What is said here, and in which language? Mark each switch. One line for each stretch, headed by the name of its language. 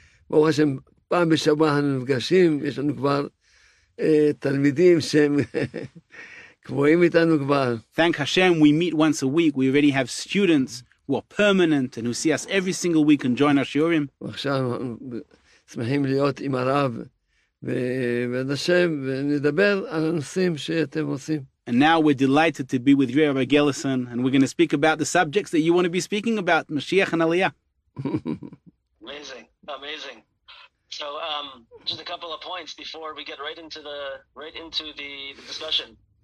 Hebrew: ברוך השם, פעם בשבוע אנחנו נפגשים, יש לנו כבר תלמידים שהם קבועים איתנו כבר.
English: Thank Hashem, we meet once a week. We already have students who are permanent and who see us every single week and join our shiurim.
Hebrew: ועכשיו אנחנו שמחים להיות עם הרב ועד השם ונדבר על הנושאים שאתם עושים.
English: And now we're delighted to be with Rabbi Gelison, and we're going to speak about the subjects that you want to be speaking about, Mashiach and Aliyah. Amazing, amazing. So, just a couple of points before we get right into the discussion.